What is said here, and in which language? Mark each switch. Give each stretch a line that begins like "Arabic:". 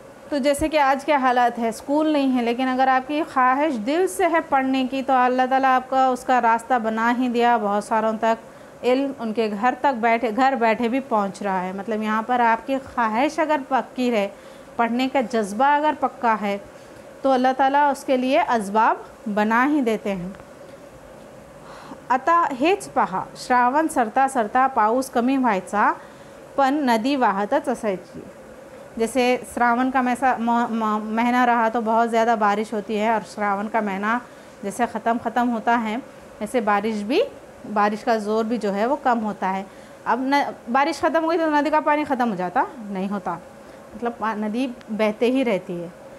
Hindi: तो जैसे कि आज क्या हालात है, स्कूल नहीं है, लेकिन अगर आपकी ख्वाहिश दिल से है पढ़ने की तो अल्लाह ताला आपका उसका रास्ता बना ही दिया। बहुत सारों तक इल्म उनके घर तक बैठे घर बैठे भी पहुंच रहा है। मतलब यहाँ पर आपकी ख्वाहिश अगर पक्की है, पढ़ने का जज्बा अगर पक्का है, तो अल्लाह ताला उसके लिए अजबाब बना ही देते हैं।
Marathi: अता हेच पहा श्रावण सरता सरता पाऊस कमी व्हायचा पण नदी वाहतच असायची।
Hindi: जैसे श्रावण का महीना रहा तो बहुत ज़्यादा बारिश होती है, और श्रावण का महीना जैसे ख़त्म होता है ऐसे बारिश का ज़ोर भी जो है वो कम होता है। अब बारिश ख़त्म हो गई तो नदी का पानी ख़त्म हो जाता नहीं होता, मतलब नदी बहते ही रहती है।